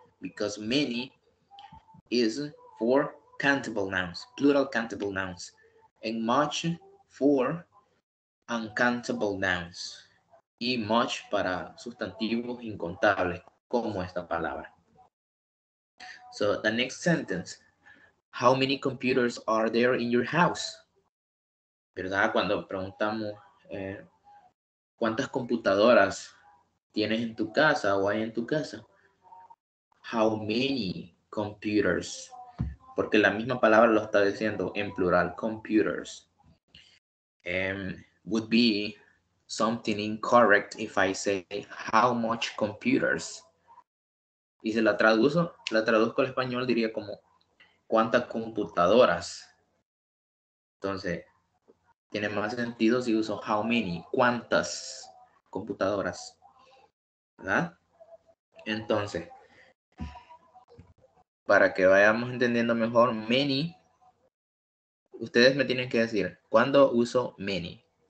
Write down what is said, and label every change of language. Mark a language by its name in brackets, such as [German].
[English] because many is for countable nouns, plural countable nouns, and much for uncountable nouns, [Spanish] y much para sustantivos incontables, como esta palabra. [English] So the next sentence, how many computers are there in your house? [Spanish] ¿Verdad? Cuando preguntamos cuántas computadoras tienes en tu casa o hay en tu casa. [English] How many computers? [Spanish] Porque la misma palabra lo está diciendo en plural, computers. [English] Would be something incorrect if I say how much computers. [Spanish] Y si la traduzo, la traduzco al español, diría como ¿cuántas computadoras? Entonces, tiene más sentido si uso how many, ¿cuántas computadoras? ¿Verdad? Entonces, para que vayamos entendiendo mejor, many, ustedes me tienen que decir, ¿cuándo uso many?